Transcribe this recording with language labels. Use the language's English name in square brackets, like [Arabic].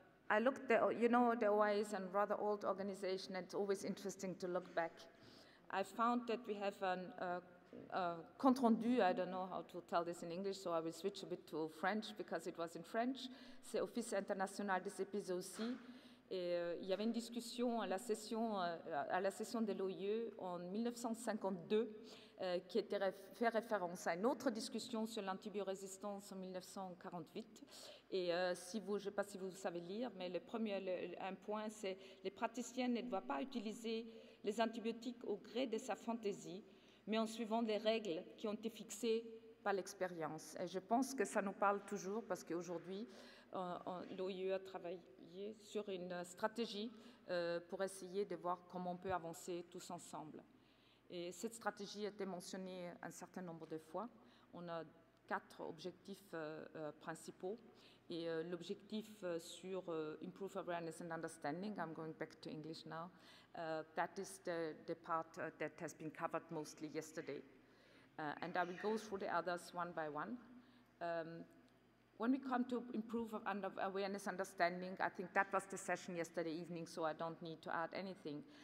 [English] I looked there, you know, the OIE is a rather old organization, and it's always interesting to look back. I found that we have a compte rendu, I don't know how to tell this in English, so I will switch a bit to French because it was in French. [French] C'est Office International des Épices aussi. Il y avait une discussion à la session de l'OIE en 1952 qui était fait référence à une autre discussion sur l'antibiorésistance en 1948. Et si vous, je ne sais pas si vous savez lire, mais le premier un point, c'est les praticiens ne doivent pas utiliser les antibiotiques au gré de sa fantaisie, mais en suivant les règles qui ont été fixées par l'expérience. Et je pense que ça nous parle toujours parce qu'aujourd'hui, l'OIE a travaillé sur une stratégie pour essayer de voir comment on peut avancer tous ensemble. Et cette stratégie a été mentionnée un certain nombre de fois. On a quatre objectifs principaux. Et l'objectif sur [English] improve awareness and understanding, I'm going back to English now, that is the part that has been covered mostly yesterday. And I will go through the others one by one. When we come to improve awareness and understanding, I think that was the session yesterday evening, so I don't need to add anything.